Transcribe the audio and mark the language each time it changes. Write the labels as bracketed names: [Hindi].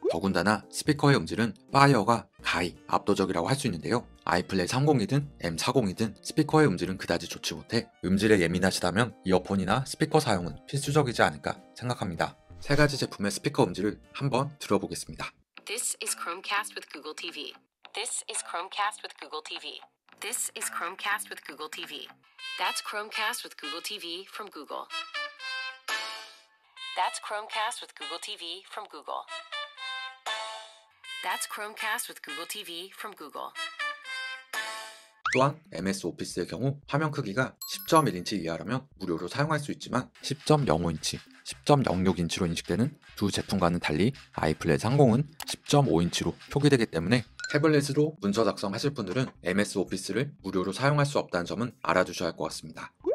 [Korean] 더군다나 스피커의 음질은 파이어가 가히 압도적이라고 할 수 있는데요. iplay 30이든 M40이든 스피커의 음질은 그다지 좋지 못해 음질에 예민하시다면 이어폰이나 스피커 사용은 필수적이지 않을까 생각합니다. 세 가지 제품의 스피커 음질을 한번 들어보겠습니다. [English] This is Chromecast with Google TV. This is Chromecast with Google TV. This is Chromecast with Google TV. That's Chromecast with Google TV from Google. That's Chromecast with Google TV from Google. That's Chromecast with Google TV from Google. [Korean] 또한 MS 오피스의 경우 화면 크기가 10.1인치 이하라면 무료로 사용할 수 있지만 10.05인치, 10.06인치로 인식되는 두 제품과는 달리 iplay 30은 10.5인치로 표기되기 때문에 태블릿으로 문서 작성하실 분들은 MS 오피스를 무료로 사용할 수 없다는 점은 알아두셔야 할 것 같습니다.